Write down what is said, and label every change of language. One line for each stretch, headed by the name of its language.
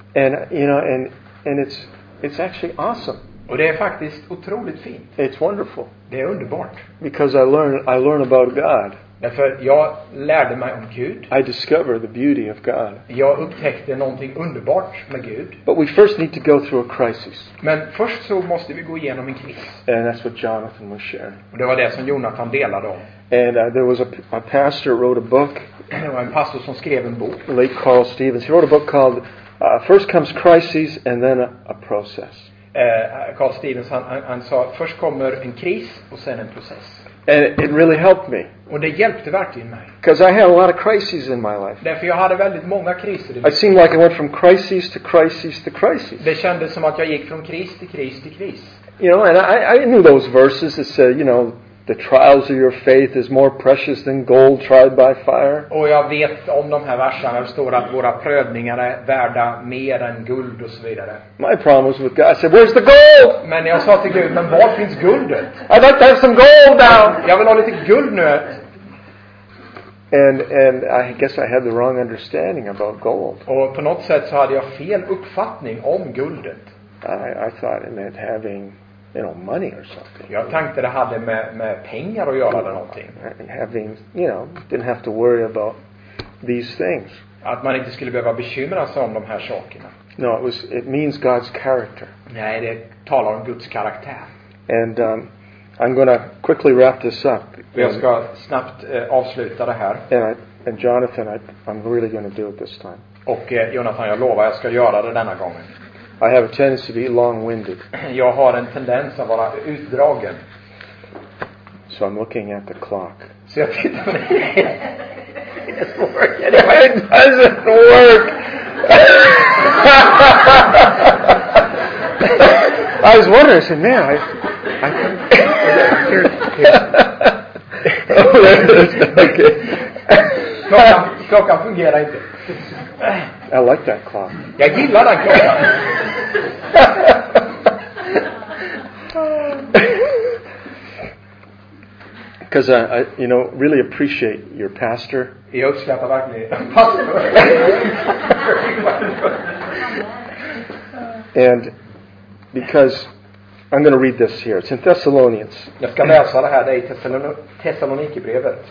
English: And you know, and it's actually awesome.
Swedish: Och det är faktiskt otroligt fint.
English: It's wonderful.
Swedish: Det är underbart.
English: Because I learn about God.
Swedish: Därför jag lärde mig om Gud.
English: I discover the beauty of God.
Swedish: Jag upptäckte någonting underbart med Gud.
English: But we first need to go through a crisis.
Swedish: Men först så måste vi gå igenom en kris.
English: And that's what Jonathan was sharing.
Swedish: Och det var det som Jonathan delade om.
English: And there was a pastor wrote a book.
Swedish: Det var en pastor som skrev en bok.
English: Late Carl Stevens. He wrote a book called First Comes Crisis and Then a Process.
Swedish: Carl Stevens han sa först kommer en kris och sen en process.
English: And it really helped me.
Swedish: Och det hjälpte verkligen mig.
English: Because I had a lot of crises in my life.
Swedish: Därför jag hade väldigt många kriser i mitt liv.
English: I seemed like I went from crisis to crisis to crisis.
Swedish: Det kändes som att jag gick från kris till kris till kris.
English: You know, and I knew those verses that said, you know, the trials of your faith is more precious than gold tried by fire.
Swedish: Och jag vet om de här verserna där det står att våra prövningar är värda mer än guld och så vidare.
English: My problem was with God. I said, where's the gold?
Swedish: Men jag sa till Gud, men var finns guldet?
English: I'd like to have some gold now.
Swedish: Jag vill ha lite guld nu.
English: And I guess I had the wrong understanding about gold.
Swedish: Och på något sätt så hade jag fel uppfattning om guldet.
English: I thought it meant having, you know, money or something.
Swedish: Jag tänkte det hade med pengar att göra eller någonting.
English: Having, you know, didn't have to worry about these things.
Swedish: Att man inte skulle behöva bekymra sig om de här sakerna.
English: No, it means God's character.
Swedish: Nej, det talar om Guds karaktär.
English: And I'm going to quickly wrap this up.
Swedish: Jag ska snabbt avsluta det här.
English: And Jonathan, I'm really going to do it this time.
Swedish: Och Jonathan, jag lovar, jag ska göra det denna gången.
English: I have a tendency to be long-winded.
Swedish: Jag har en tendens att vara utdragen.
English: So I'm looking at the clock.
Swedish: Så jag tittar på det.
English: It doesn't work. It doesn't work. I was wondering, I said, man, I here. Okay.
Swedish: Klockan fungerar inte.
English: I like that clock.
Swedish: Jag gillar den klockan.
English: Because I, you know, really appreciate your pastor.
Swedish: Jag uppskattar verkligen pastor.
English: And because I'm going to read this here. It's in Thessalonians.
Swedish: Jag ska läsa det här. Det är Thessalonikerbrevet.